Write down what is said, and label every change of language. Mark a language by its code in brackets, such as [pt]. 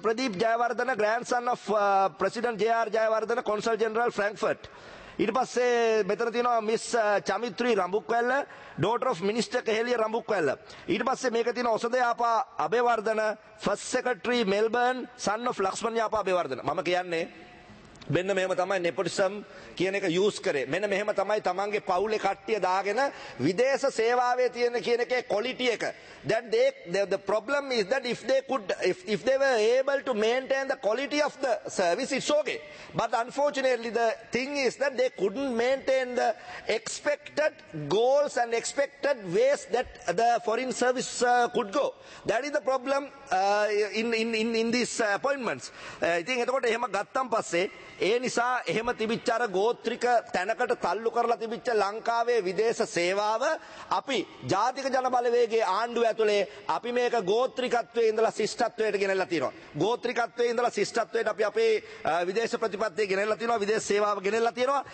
[en] Pradeep Jayawardana, grandson of president JR Jayawardana, consul general Frankfurt. [si] ඊට පස්සේ මෙතන තියෙනවා miss චමිත්‍රි Rambukwella, [en] daughter of minister [si] Keheliya Rambukwella. ඊට පස්සේ මේක තියෙන ඔසදයාපා Abeywardena, [en] first secretary Melbourne, son of [si] Lakshman Yapa Abeywardena. මම කියන්නේ මෙන්න මෙහෙම තමයි nepotism කියන එක යූස් කරේ. මෙන්න මෙහෙම තමයි තමන්ගේ පවුලේ කට්ටිය දාගෙන විදේශ සේවාවේ තියෙන කියන එකේ quality එක. [en] Then the problem is that if they were able to maintain the quality of the service, it's okay. But unfortunately the thing is that they couldn't maintain the expected goals and expected ways that the foreign service could go. That is the problem in these appointments. [si] ඉතින් එතකොට එහෙම ගත්තන් පස්සේ ඒ නිසා එහෙම තිබිච්ච අර ගෝත්‍රික තැනකට තල්ලු කරලා තිබිච්ච ලංකාවේ විදේශ සේවාව අපි ජාතික ජන බලවේගයේ ආණ්ඩුව ඇතුලේ අපි මේක ගෝත්‍රිකත්වයේ ඉඳලා ශිෂ්ටත්වයට ගෙනල්ලා තිනවා. ගෝත්‍රිකත්වයේ ඉඳලා ශිෂ්ටත්වයට අපි අපේ විදේශ ප්‍රතිපත්තිය ගෙනල්ලා තිනවා, විදේශ සේවාව ගෙනල්ලා තිනවා.